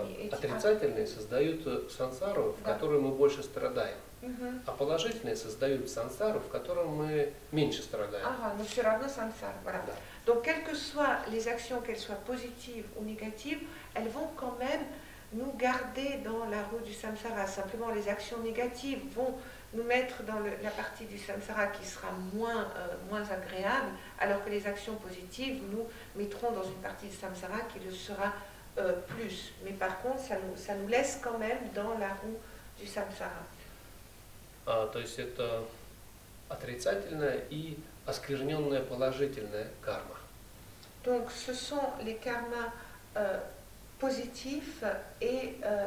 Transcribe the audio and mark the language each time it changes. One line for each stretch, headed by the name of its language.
Russian: Отрицательные создают сансару, в которой мы больше страдаем. А положительные создают сансару, в которой мы меньше страдаем. Ага, но все равно сансар, voilà.
French: Donc, quelles que soient les actions, qu'elles soient positives ou négatives, elles vont quand même nous garder dans la roue du samsara. Simplement, les actions négatives vont nous mettre dans la partie du samsara qui sera moins agréable, alors que les actions positives nous mettront dans une partie du samsara qui le sera plus. Mais par contre, ça nous laisse quand même dans la roue du samsara.
Russian: То есть это отрицательная и оскверненная положительная карма.
French: Donc ce sont les karmas positifs et